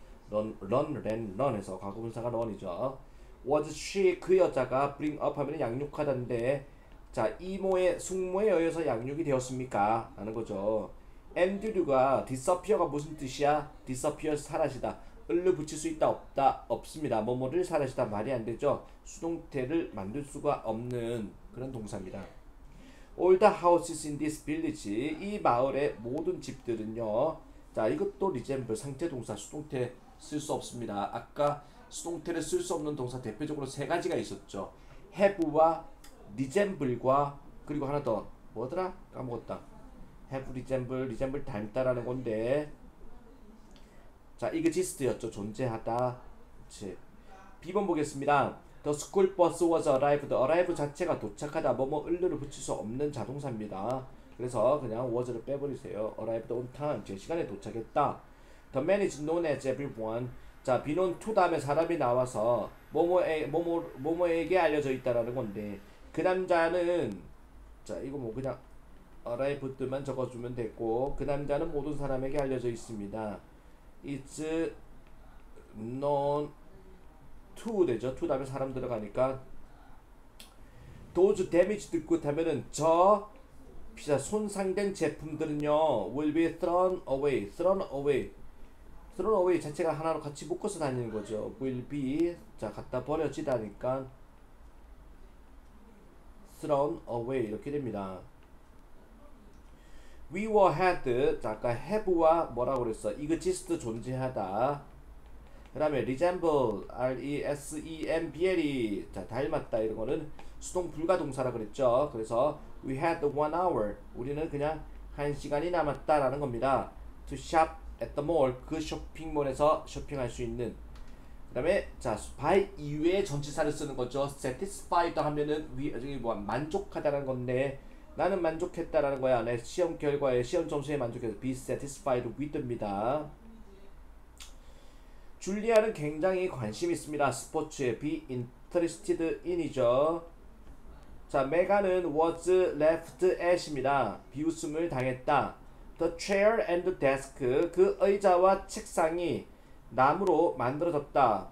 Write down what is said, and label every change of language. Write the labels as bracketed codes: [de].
[ko] run 해서 과거분사가 run이죠. [en] was she [ko] 그 여자가 bring up 하면 양육하던데, 자, 이모의 숙모에 의해서 양육이 되었습니까? 라는 거죠. Andrew가 disappear가 무슨 뜻이야? disappear 사라지다. 을을 붙일 수 있다 없다 없습니다. 뭐뭐를 사라지다 말이 안 되죠. 수동태를 만들 수가 없는 그런 동사입니다. [en] All the houses in this village. [ko] 이 마을의 모든 집들은요. 자, 이것도 resemble 상태 동사 수동태 쓸수 없습니다. 아까 수동태를 쓸수 없는 동사 대표적으로 세 가지가 있었죠. Have와 resemble과 그리고 하나 더 뭐더라? 까먹었다. Have resemble 닮다라는 건데. 자, exist였죠. 존재하다. 그치. B번 보겠습니다. [en] The school bus was arrived. [ko] Arrive 자체가 도착하다. 뭐뭐 을르를 붙일 수 없는 자동사입니다. 그래서 그냥 was를 빼버리세요. [en] Arrived on time. [ko] 제 시간에 도착했다. [en] The man is known as everyone. [ko] 자, be known to 다음에 사람이 나와서 뭐뭐에게 알려져 있다라는 건데 그 남자는 자, 이거 뭐 그냥 arrived만 적어주면 됐고 그 남자는 모든 사람에게 알려져 있습니다. [en] It's known to [ko] 되죠. to 다음에 사람 들어가니까 [en] those damaged goods [ko] 하면은 저 비싸 손상된 제품들은요 [en] will be thrown away. thrown away. [ko] thrown away 자체가 하나로 같이 묶어서 다니는 거죠. will be 자 갖다 버려지다니까 thrown away 이렇게 됩니다. [en] We were had [ko] 아까 have와 뭐라고 그랬어? exist 존재하다. 그다음에 resemble, resemble이 자 닮았다 이런 거는 수동 불가 동사라 그랬죠. 그래서 [en] we had 1 hour [ko] 우리는 그냥 한 시간이 남았다라는 겁니다. [en] To shop at the mall [ko] 그 쇼핑몰에서 쇼핑할 수 있는. 그다음에 자 by 이외의 전치사를 쓰는 거죠. satisfied 하면은 we 저기 뭐 만족하다라는 건데 나는 만족했다라는 거야. 내 시험 결과에 시험 점수에 만족해서 be satisfied with입니다. 줄리아는 굉장히 관심 있습니다. 스포츠에 be interested in이죠. 자, 메가는 was left at입니다. 비웃음을 당했다. [en] The chair and desk [ko] 그 의자와 책상이 나무로 만들어졌다.